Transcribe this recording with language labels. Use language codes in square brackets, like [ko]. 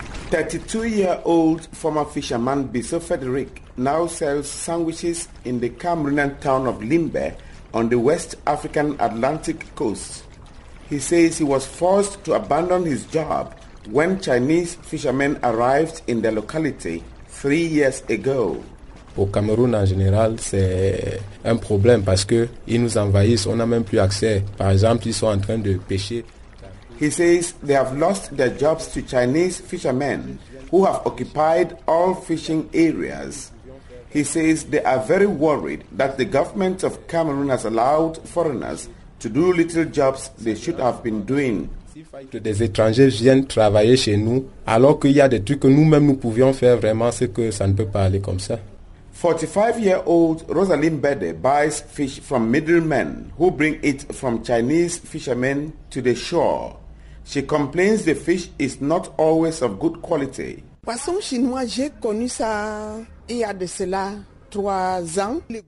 [en] ...32-year-old former fisherman Biso Frederick now sells sandwiches in the Cameroonian town of Limbe on the West African Atlantic coast. He says he was forced to abandon his job when Chinese fishermen arrived in the locality 3 years ago. [fr] Au Cameroun en général, c'est un problème parce que ils nous envahissent, on n'a même plus accès. Par exemple, ils sont en train de pêcher. [en] He says they have lost their jobs to Chinese fishermen who have occupied all fishing areas. He says they are very worried that the government of Cameroon has allowed foreigners to do little jobs they should have been doing. [fr] Que des étrangers viennent travailler chez nous alors qu'il y a des trucs que nous-mêmes nous pouvions faire vraiment, c'est que ça ne peut pas aller comme ça. [en] 45-year-old Rosalind Bede buys fish from middlemen who bring it from Chinese fishermen to the shore. She complains the fish is not always of good quality. [fr] Poisson chinois, j'ai connu ça il y a de cela 3 ans.